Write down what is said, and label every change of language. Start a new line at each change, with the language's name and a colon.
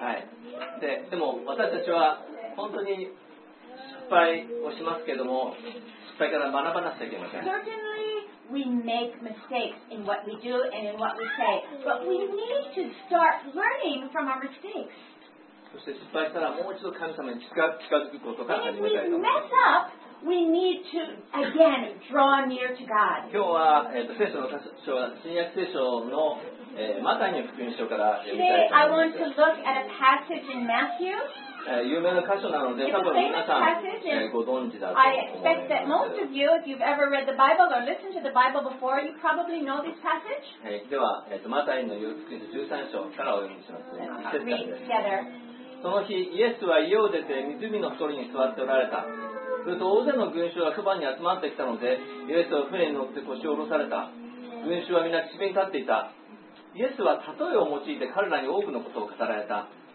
Japanese: はい、でも私たちは本当に失敗をしますけれども、失敗から学ばなくちゃいけません。
English: Certainly, we make mistakes in what we do and in what we say, but we need to start learning from our mistakes.
Japanese: そして失敗したらもう一度神様に近づくことから始めたいと思います。
English: And if we mess up, we need to again draw near to God.
Japanese: 今日は、聖書の箇所は新約聖書のマタイの福音書から読みたいと思います。
English: Today I want to look at a passage in Matthew.
Japanese: 有名な箇所なので、多分皆さんご存知だと思います。
English: I expect that most of you, if you've ever read the Bible or listened to the Bible before, you probably know this passage.
Japanese: では、マタイの福音書13章からお読みします。
English: Read together.
Japanese: その日、イエスは家を出て湖のほとりに座っておられた。すると大勢の群衆がそばに集まってきたので、イエスは船に乗って腰を下ろされた。群衆はみんな岸辺に立っていた。イエスは例えを用いて彼らに多くのことを語られた。